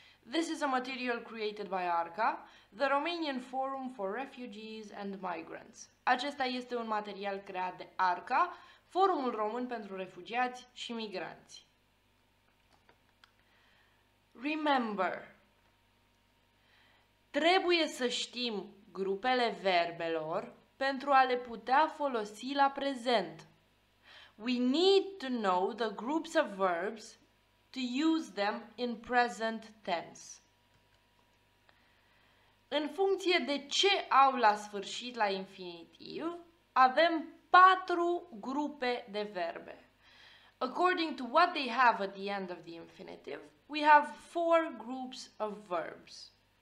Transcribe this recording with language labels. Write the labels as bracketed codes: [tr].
[en] This is a material created by ARCA, the Romanian Forum for Refugees and Migrants. [ro] Acesta este un material creat de ARCA, Forumul Român pentru Refugiați și Migranți. [en] Remember! [ro] Trebuie să știm grupele verbelor pentru a le putea folosi la prezent. [en] We need to know the groups of verbs to use them in present tense. [ro] În funcție de ce au la sfârșit la infinitiv, avem patru grupe de verbe. [en] According to what they have at the end of the infinitive, we have four groups of verbs.